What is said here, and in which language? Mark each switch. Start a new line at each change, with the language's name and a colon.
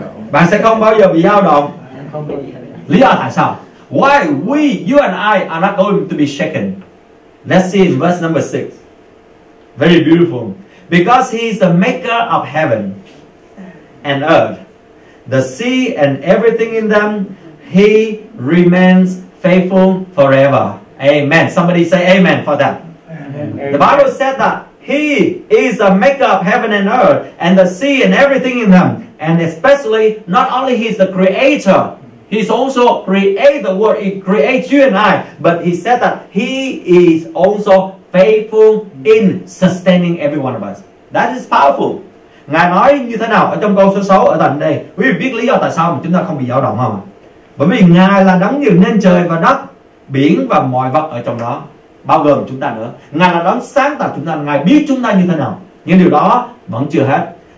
Vietnamese: Bạn sẽ không bao giờ bị dao động. Lý do tại sao?
English: Why we, you and I, are not going to be shaken? Let's see in verse number 6. Very beautiful. Because he is the maker of heaven and earth, the sea and everything in them, he remains faithful forever. Amen. Somebody say amen for that. Amen. The Bible said that he is the maker of heaven and earth and the sea and everything in them. And especially, not only he is the creator, he's also create the world. He creates you and I. But he said that he is also faithful in sustaining every one of us. That is powerful.
Vietnamese: Ngài nói như thế nào ở trong câu số 6 ở đoạn đây? Quý vị biết lý do tại sao mà chúng ta không bị dao động không? Bởi vì Ngài là đấng dựng nên trời và đất, biển và mọi vật ở trong đó, bao gồm chúng ta nữa. Ngài là đấng sáng tạo chúng ta, Ngài biết chúng ta như thế nào. Nhưng điều đó vẫn chưa hết.